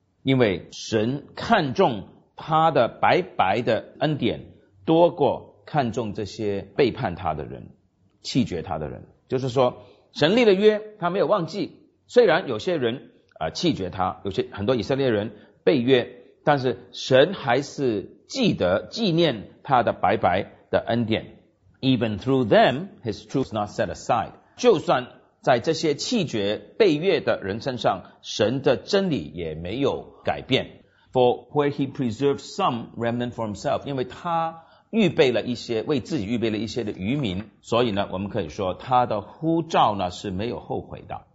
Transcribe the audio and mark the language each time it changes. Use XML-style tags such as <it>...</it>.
<zh>因为神看重他的白白的恩典，多过看重这些背叛他的人、弃绝他的人。就是说，神立了约，他没有忘记。虽然有些人弃绝他，有些很多以色列人背约，但是神还是记得、纪念他的白白的恩典。</zh> <en>Even through them, his truth is not set aside.</en> <zh>就算在这些弃绝背约的人身上，神的真理也没有改变。</zh> <en>For where he preserved some remnant for himself,</en> <zh>因为他预备了一些，为自己预备了一些的渔民，所以呢，我们可以说他的呼召呢是没有后悔的。</zh>